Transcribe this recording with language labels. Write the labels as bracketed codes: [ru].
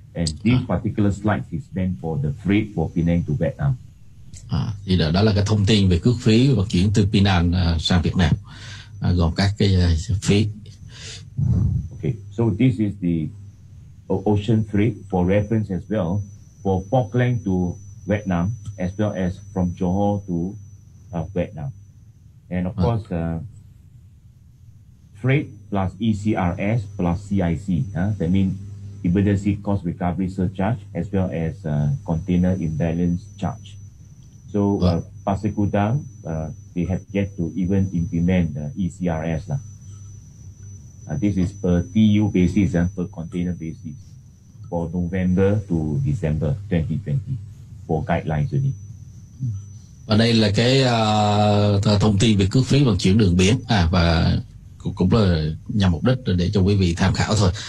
[en] And this particular slide is meant for the freight for Penang to Vietnam. [vi] Thì đó là cái thông tin về cước phí và chuyển từ Penang sang Việt Nam, gồm các cái phí. [en] Okay, so this is the ocean freight for reference as well for Falkland to Vietnam as well as from Johor to Vietnam. And of course, freight plus ECRS plus CIC, that means emergency cost recovery surcharge as well as container imbalance charge. So Pasir Kudang, they have yet to even implement ECRS. This is per TU basis and per container basis for November to December 2020 for guidelines only. [vi] Và đây là cái thông tin về cước phí vận chuyển đường biển và cũng là nhằm mục đích để cho quý vị tham khảo thôi.